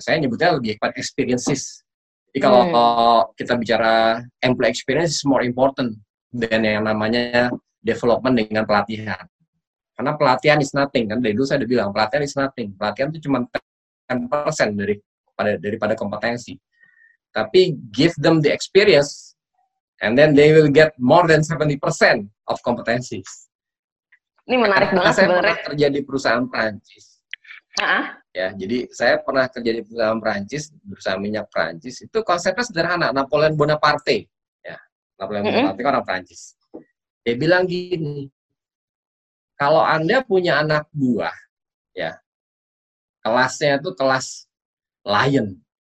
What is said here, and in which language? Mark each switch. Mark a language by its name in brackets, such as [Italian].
[Indonesian] Saya nyebutnya lebih kepada experiences. Jadi kalau kita bicara [English] employee experience is more important than [Indonesian] yang namanya development dengan pelatihan. Karena pelatihan [English] is nothing [Indonesian] kan. Dari dulu saya udah bilang pelatihan is nothing. Pelatihan itu cuma 10% daripada kompetensi. Tapi [English] give them the experience and then they will get more than 70% of competencies. [Indonesian] Ini menarik banget sebenarnya. Saya pernah kerja di perusahaan Prancis. Ya, jadi saya pernah kerja di perusahaan Prancis, perusahaan minyak Prancis. Itu konsepnya sederhana, Napoleon Bonaparte. Ya, Napoleon Bonaparte kan orang Prancis. Dia bilang gini, kalau Anda punya anak buah, ya, kelasnya itu kelas lion.